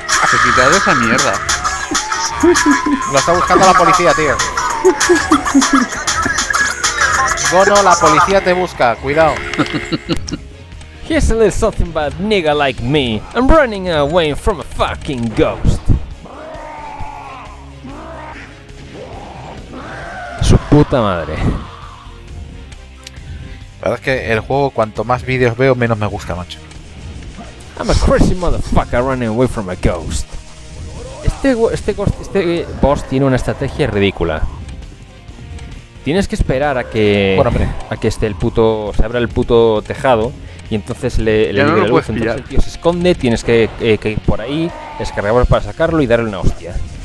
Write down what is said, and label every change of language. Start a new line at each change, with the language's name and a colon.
Spanish: Se quita de esa mierda. Lo está buscando la policía, tío. Gono, la policía te busca, cuidado.
English: Here's a little something about nigga like me. I'm running away from a fucking ghost.
Spanish: su puta madre. La verdad es que el juego, cuanto más vídeos veo, menos me gusta, macho.
English: I'm a crazy motherfucker running away from a ghost.
Spanish: Este boss tiene una estrategia ridícula. Tienes que esperar a que esté el puto, se abra el puto tejado y entonces le libre la luz. Entonces el tío se esconde, tienes que ir por ahí, descargarlo para sacarlo y darle una hostia.